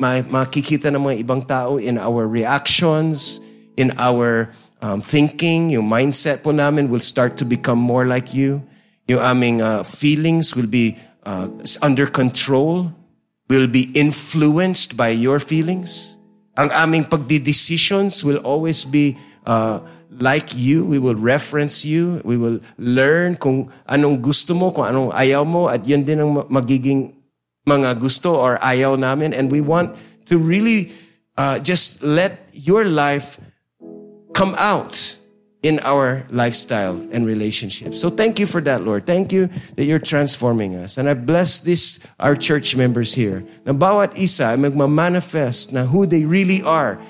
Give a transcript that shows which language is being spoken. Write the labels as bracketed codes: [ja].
[tl] Makikita ng mga ibang tao [en] in our reactions, in our thinking, [tl] yung mindset po namin [en] will start to become more like you. [tl] Yung aming [en] feelings will be under control, will be influenced by your feelings. [tl] Ang aming pagdi-decisions [en] will always be like you. We will reference you. We will learn [tl] kung anong gusto mo, kung anong ayaw mo, at yun din ang magiging mga gusto or ayaw namin. [en] And we want to really just let your life come out in our lifestyle and relationships. So thank you for that, Lord. Thank you that you're transforming us. And I bless this, our church members here. [tl] Na bawat isa ay magmamanifest na [en] who they really are.